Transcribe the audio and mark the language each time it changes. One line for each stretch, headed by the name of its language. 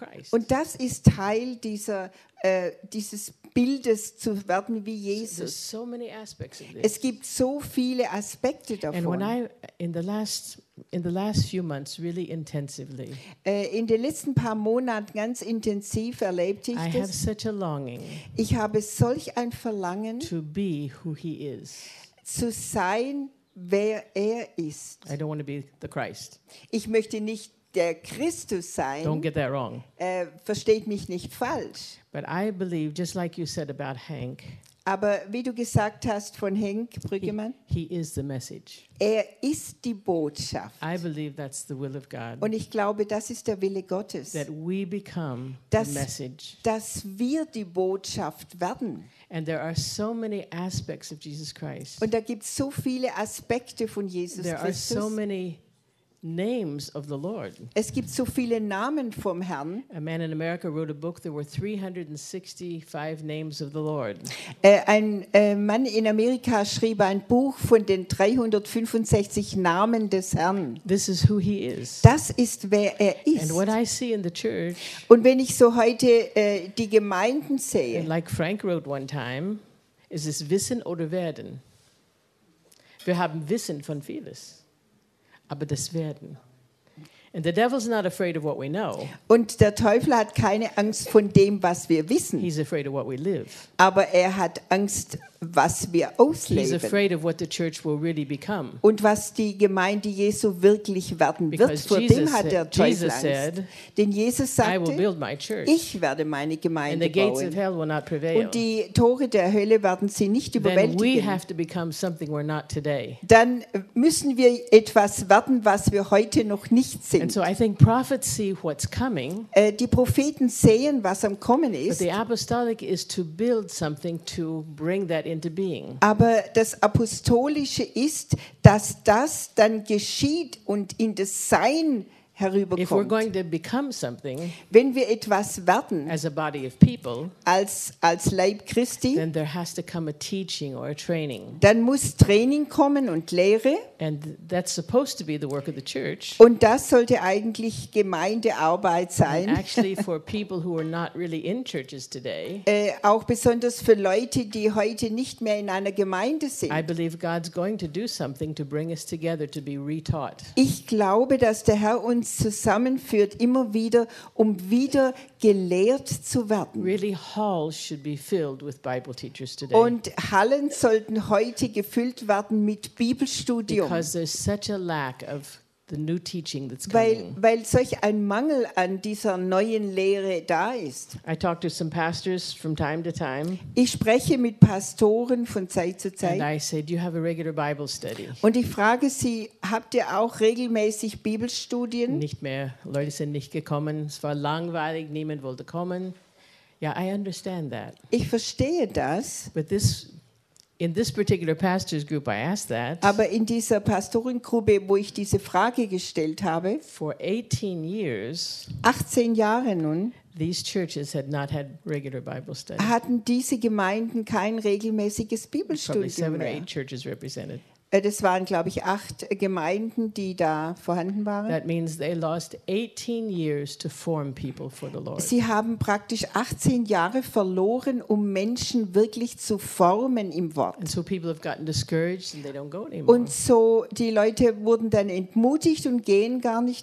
German: Und das ist Teil dieses Bildes zu werden wie Jesus.
English: So many aspects of this.
German: Es gibt so viele Aspekte davon.
English: And when I, in the last few months, really intensively,
German: in den letzten paar Monaten ganz intensiv erlebt ich das.
English: I have such a longing.
German: Ich habe solch ein Verlangen,
English: to be who he is.
German: Zu sein, wer er ist.
English: I don't want to be the Christ.
German: Ich möchte nicht der Christus sein.
English: Don't get that wrong.
German: Versteht mich nicht falsch.
English: But I believe, just like you said about Hank.
German: Aber wie du gesagt hast von Hank Brüggemann.
English: He is the message.
German: Er ist die Botschaft.
English: I believe that's the will of God.
German: Und ich glaube, das ist der Wille Gottes.
English: That we become the message.
German: Dass wir die Botschaft werden.
English: And there are so many aspects of Jesus Christ.
German: Und da gibt's so viele Aspekte von Jesus Christus.
English: There are so many names of the Lord.
German: Es gibt so viele Namen vom Herrn.
English: A man in America wrote a book. There were 365 names of the Lord.
German: Ein Mann in Amerika schrieb ein Buch von den 365 Namen des Herrn.
English: This is who he is.
German: Das ist, wer er ist.
English: And what I see in the church.
German: Und wenn ich so heute die Gemeinden sehe.
English: And like Frank wrote one time, is this
German: wissen oder werden? Wir haben Wissen von vieles. Aber das Werden.
English: And the devil's not afraid of what we know.
German: Und der Teufel hat keine Angst von dem, was wir wissen.
English: He's afraid of what we live.
German: Aber er hat Angst, was wir ausleben.
English: He's afraid of what the church will really become.
German: Und was die Gemeinde Jesu wirklich werden wird.
English: Because
German: vor
English: Jesus
German: dem hat der
English: Jesus
German: Teufel
English: said,
German: Angst. Denn Jesus sagte,
English: I will build my church.
German: Ich werde meine Gemeinde
English: and the gates
German: bauen.
English: Of hell will not prevail.
German: Und die Tore der Hölle werden sie nicht überwältigen.
English: Then we have to become something we're not today.
German: Dann müssen wir etwas werden, was wir heute noch nicht sind.
English: And so I think prophets see what's coming.
German: Die Propheten sehen, was am Kommen ist.
English: But the apostolic is to build something to bring that into being.
German: Aber das Apostolische ist, dass das dann geschieht und in das Sein herüberkommt.
English: If we're going to become something,
German: wenn wir etwas werden,
English: as a body of people,
German: als Leib Christi,
English: then there has to come a teaching or a training.
German: Dann muss Training kommen und Lehre.
English: And that's supposed to be the work of the church.
German: Und das sollte eigentlich Gemeindearbeit sein.
English: And actually, for people who are not really in churches today,
German: auch besonders für Leute, die heute nicht mehr in einer Gemeinde sind.
English: I believe God's going to do something to bring us together to be retaught.
German: Ich glaube, dass der Herr uns zusammenführt immer wieder, um wieder gelehrt zu werden.
English: Really, halls should be filled with Bible teachers today.
German: Und Hallen sollten heute gefüllt werden mit Bibelstudium.
English: Because there's such a lack of the new teaching that's coming.
German: Weil solch ein Mangel an dieser neuen Lehre da ist.
English: I talk to some pastors from time to time.
German: Ich spreche mit Pastoren von Zeit zu Zeit.
English: And I say, do you have a regular Bible study?
German: Und ich frage sie, habt ihr auch regelmäßig Bibelstudien? Nicht mehr. Leute sind nicht gekommen. Es war langweilig. Niemand wollte kommen.
English: Yeah, I understand that.
German: Ich verstehe das.
English: But this. In this particular pastor's group, I asked that.
German: Aber in dieser Pastorengruppe, wo ich diese Frage gestellt habe,
English: for 18 years,
German: 18 Jahre nun,
English: these churches had not had regular Bible study.
German: Hatten diese Gemeinden kein regelmäßiges Bibelstudium mehr.
English: Probably 7 or 8 churches represented.
German: Das waren, glaube ich, 8 Gemeinden, die da vorhanden waren.
English: That means they lost 18 years to form people for the Lord.
German: Sie haben praktisch 18 Jahre verloren, um Menschen wirklich zu formen im Wort.
English: And so people have gotten discouraged and they don't go anymore.
German: Und so die Leute wurden dann entmutigt und gehen gar nicht